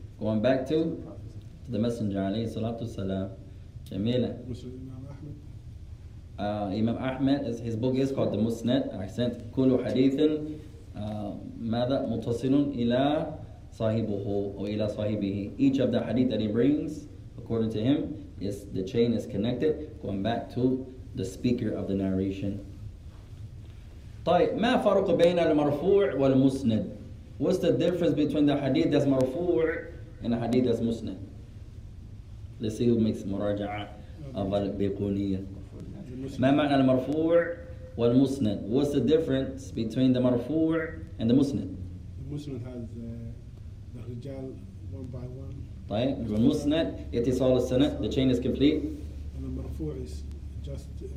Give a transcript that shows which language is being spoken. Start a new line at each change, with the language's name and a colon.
English: Going back to the Messenger
Arabic: عليه الصلاة والسلام. جميلة.
English: Imam Ahmed, his book is called the Musnad. I sent
Arabic: كل حديث ماذا متصل إلى صاحبه أو إلى صاحبه.
English: Each of the hadith that he brings, according to him, is the chain is connected, going back to the speaker of the narration.
Arabic: طيب, ما فرق بين المرفوع والمسند?
English: What's the difference between the hadith that's marfu and the hadith that's musnad? Let's see who makes مراجعه of البيقونية.
Arabic: ما معنى المرفوع والمسند?
English: What's the difference between the marfu and the musnad? The musnad has the رجال one by one.
Arabic: طيب المسند اتصال السنة,
English: the chain is complete. المرفوع is just